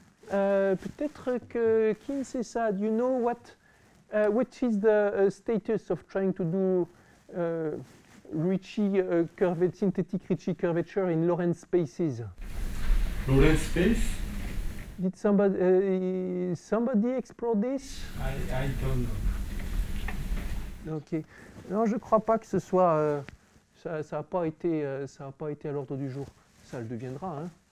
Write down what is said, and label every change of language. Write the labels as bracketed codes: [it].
[fr] Peut-être que Kim sait ça. [en] Do you know what which is the status of trying to do Ricci curvature, synthetic Ricci curvature in Lorentz spaces? Lorentz space? Did somebody explore this? I don't know. [fr] Okay. Non, je crois pas que ce soit ça n'a pas été à l'ordre du jour. Ça le deviendra. Hein.